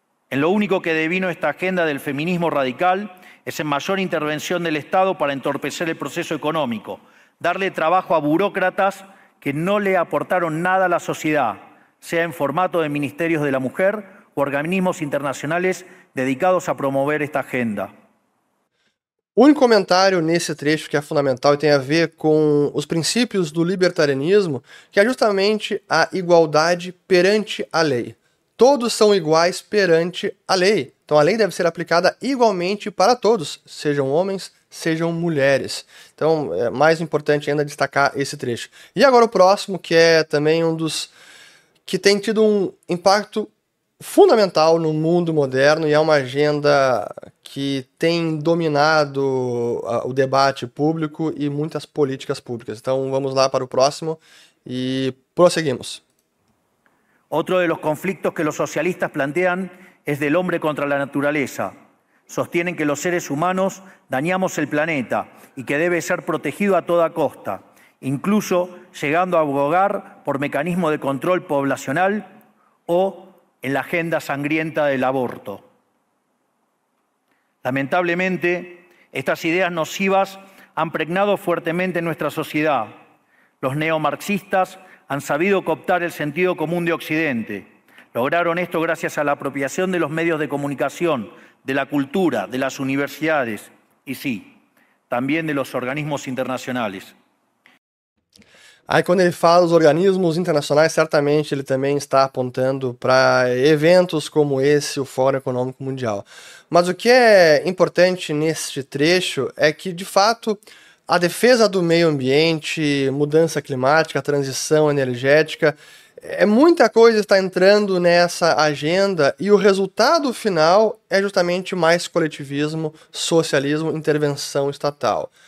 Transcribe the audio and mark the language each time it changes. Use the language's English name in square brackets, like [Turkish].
[Spanish] En lo único que devino esta agenda del feminismo radical es en mayor intervención del Estado para entorpecer el proceso económico, darle trabajo a burócratas que no le aportaron nada a la sociedad, sea en formato de ministerios de la mujer o organismos internacionales dedicados a promover esta agenda. [Portuguese] O único comentário nesse trecho que é fundamental e tem a ver com os princípios do libertarianismo, que é justamente a igualdade perante a lei. Todos são iguais perante a lei. Então a lei deve ser aplicada igualmente para todos, sejam homens, sejam mulheres. Então, é mais importante ainda destacar esse trecho. E agora o próximo, que é também um dos que tem tido um impacto fundamental no mundo moderno e é uma agenda que tem dominado o debate público e muitas políticas públicas. Então, vamos lá para o próximo e prosseguimos. [Spanish] Otro de los conflictos que los socialistas plantean es del hombre contra la naturaleza. Sostienen que los seres humanos dañamos el planeta y que debe ser protegido a toda costa, incluso llegando a abogar por mecanismos de control poblacional o en la agenda sangrienta del aborto. Lamentablemente, estas ideas nocivas han pregnado fuertemente en nuestra sociedad. Los neomarxistas han sabido cooptar el sentido común de Occidente. Lograron esto gracias a la apropiación de los medios de comunicación, de la cultura, de las universidades y sí, también de los organismos internacionales. [Portuguese] Aí, quando ele fala dos organismos internacionais, certamente ele também está apontando para eventos como esse, o Fórum Econômico Mundial. Mas o que é importante neste trecho é que, de fato, a defesa do meio ambiente, mudança climática, transição energética, é muita coisa está entrando nessa agenda e o resultado final é justamente mais coletivismo, socialismo, intervenção estatal.